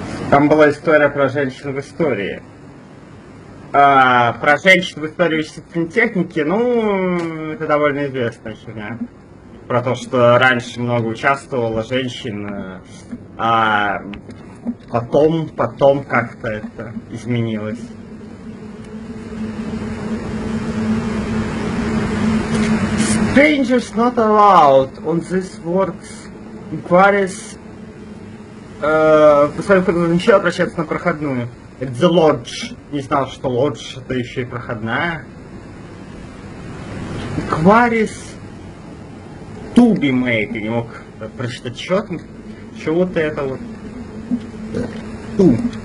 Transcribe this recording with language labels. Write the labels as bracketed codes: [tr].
[ru] Там была история про женщин в истории. Про женщин в истории вычислительной техники, ну, это довольно известная херня. Про то, что раньше много участвовало женщин, а потом как-то это изменилось. [en] Strangers not allowed on this works inquiries. [ru] По своему ходу начал обращаться на проходную. [en] It's the lodge. [ru] Не знал, что lodge это еще и проходная. [en] Inquiries to be made. [ru] Не мог прочитать счет. Чего-то это вот. To.